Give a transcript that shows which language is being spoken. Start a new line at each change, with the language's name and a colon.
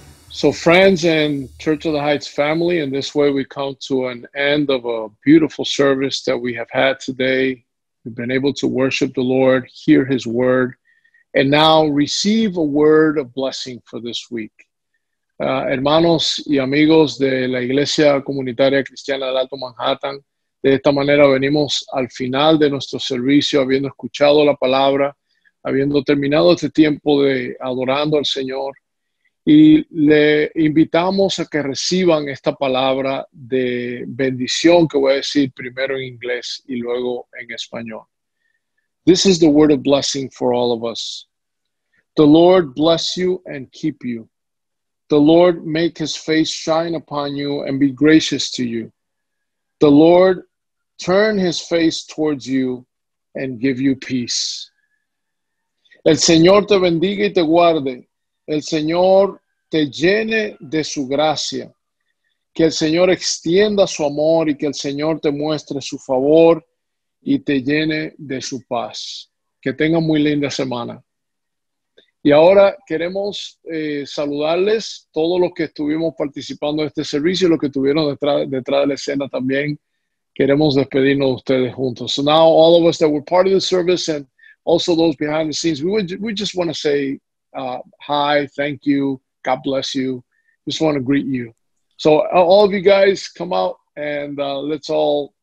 English: So friends and Church of the Heights family, in this way we come to an end of a beautiful service that we have had today. We've been able to worship the Lord, hear His word, and now receive a word of blessing for this week.
Spanish: Hermanos y amigos de la Iglesia Comunitaria Cristiana del Alto Manhattan, de esta manera venimos al final de nuestro servicio, habiendo escuchado la palabra, habiendo terminado este tiempo de adorando al Señor. Y le invitamos a que reciban esta palabra de bendición que voy a decir primero en inglés y luego en español.
English: This is the word of blessing for all of us. The Lord bless you and keep you. The Lord make his face shine upon you and be gracious to you. The Lord turn his face towards you and give you peace.
Spanish: El Señor te bendiga y te guarde. El Señor te llene de su gracia. Que el Señor extienda su amor y que el Señor te muestre su favor y te llene de su paz. Que tenga muy linda semana. Y ahora queremos saludarles todos los que estuvimos participando en este servicio y los que estuvieron detrás de la escena también. Queremos despedirnos de ustedes juntos.
English: So now all of us that were part of the service and also those behind the scenes, we just want to say hi, thank you, God bless you. Just want to greet you. So all of you guys, come out and let's all.